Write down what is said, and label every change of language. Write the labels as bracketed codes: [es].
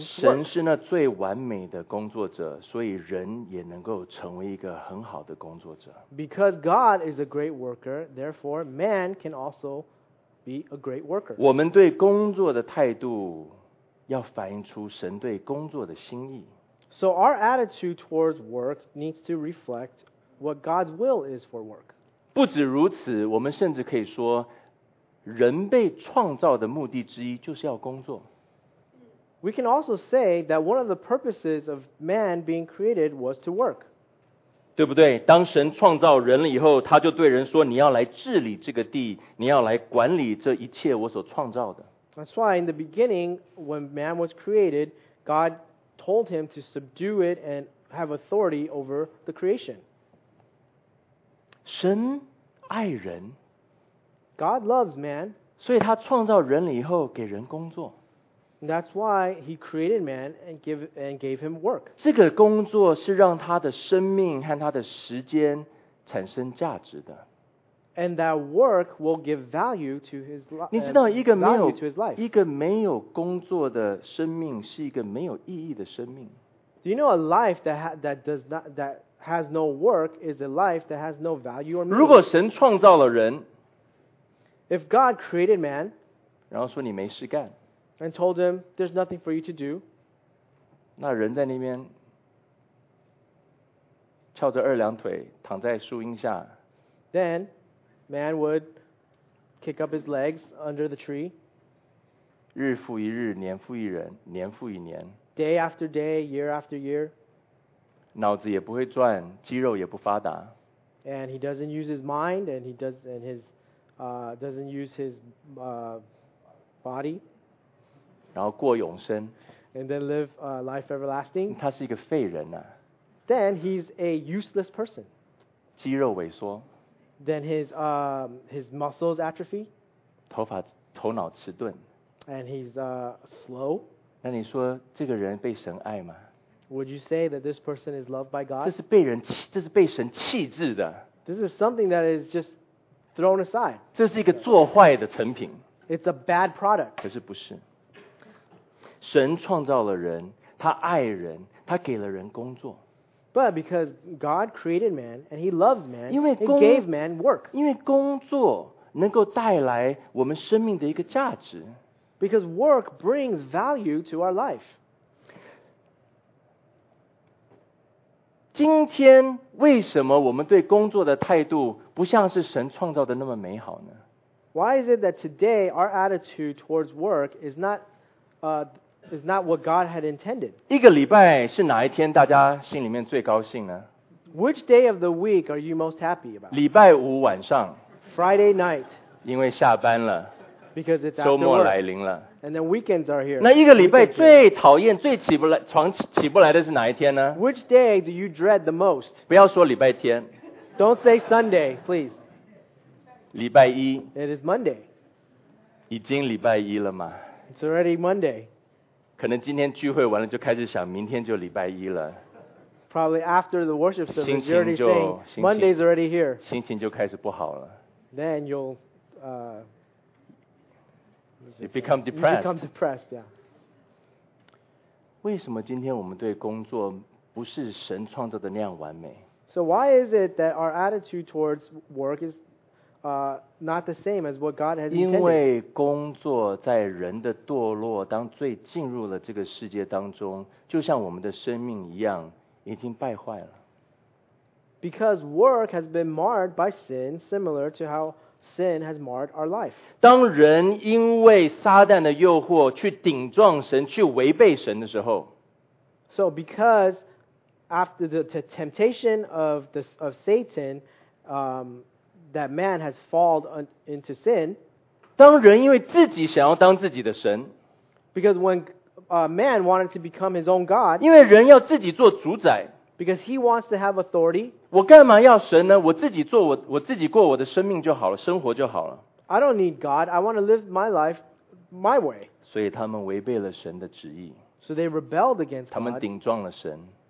[zh] 神是那最完美的工作者，所以人也能够成为一个很好的工作者。 [en] Because God is a great worker, therefore man can also be a great worker. [zh] 我们对工作的态度要反映出神对工作的心意。 [en] So our attitude towards work needs to reflect what God's will is for work. [zh] 不止如此，我们甚至可以说，人被创造的目的之一就是要工作。 [en] We can also say that one of the purposes of man being created was to work. [zh] 对不对？当神创造人了以后，他就对人说，你要来治理这个地，你要来管理这一切我所创造的。 [en] That's why in the beginning, when man was created, God told him to subdue it and have authority over the creation. [zh] 神爱人。 [en] God loves man. [zh] 所以他创造人了以后给人工作。 [en] That's why he created man and gave him work. [zh] 这个工作是让他的生命和他的时间产生价值的。 [en] And that work will give value to his life. [zh] 你知道一个没有 [en] to his life. [zh] 一个没有工作的生命是一个没有意义的生命。 [en] Do you know a life that has no work is a life that has no value or meaning? [zh] 如果神创造了人 [en] ，If God created man， [zh] 然后说你没事干 [en] ，and told him there's nothing for you to do， [zh] 那人在那边翘着二郎腿躺在树荫下 [en] ，then man would kick up his legs under the tree. [zh] 日复一日，年复一人，年复一年。 [en] Day after day, year after year. [zh] 脑子也不会转，肌肉也不发达。 [en] And he doesn't use his mind, and he does, and his, doesn't use his, body. [zh] 然后过永生。 [en] And then live, life everlasting. [zh] 他是一个废人啊。 [en] Then he's a useless person. [zh] 肌肉萎缩。 [en] Then his muscles atrophy. [zh] 头脑迟钝。 [en] And he's slow. [zh] 那你说这个人被神爱吗？ [en] Would you say that this person is loved by God? [zh] 这是被神弃置的。 [en] This is something that is just thrown aside. [zh] 这是一个做坏的成品。 [en] It's a bad product. [zh] 可是不是。神创造了人，他爱人，他给了人工作。 [en] But because God created man and he loves man and gave man work. [zh] 因为工作能够带来我们生命的一个价值。 [en] Because work brings value to our life. [zh] 今天为什么我们对工作的态度不像是神创造的那么美好呢？ [en] Why is it that today our attitude towards work is not, is not what God had intended. [zh] 一个礼拜是哪一天大家心里面最高兴呢？ [en] Which day of the week are you most happy about? [zh] 礼拜五晚上。 [en] Friday night. [zh] 因为下班了。 [en] Because it's [zh] 周末来临了。 [en] And then weekends are here. [zh] 那一个礼拜最讨厌最起不来床起不来的是哪一天呢？ [en] Which day do you dread the most? [zh] 不要说礼拜天。 [en] Don't say Sunday, please. [zh] 礼拜一。 [en] It is Monday. [zh] 已经礼拜一了吗？ [en] It's already Monday. [zh] 可能今天聚会完了就开始想明天就礼拜一了。 [en] Probably after the worship service, [zh] 心情就 [en] you're already saying, Monday's already here. [zh] 心情就开始不好了。 [en] Then you'll, you become depressed. You become depressed, yeah. [zh] 为什么今天我们对工作不是神创造的那样完美？ [en] So why is it that our attitude towards work is, not the same as what God has intended. [zh] 因为工作在人的堕落当最进入了这个世界当中，就像我们的生命一样，已经败坏了。 [en] Because work has been marred by sin, similar to how sin has marred our life. [zh] 当人因为撒旦的诱惑去顶撞神，去违背神的时候 [en] ，So because after the temptation of Satan, that man has fallen into sin. [zh] 当人因为自己想要当自己的神 [en] ，because when a man wanted to become his own god， [zh] 因为人要自己做主宰 [en] ，because he wants to have authority。 [zh] 我干嘛要神呢？我自己做我自己过我的生命就好了，生活就好了。 [en] I don't need God. I want to live my life my way. [zh] 所以他们违背了神的旨意。 [en] So they rebelled against God. [zh] 他们顶撞了神。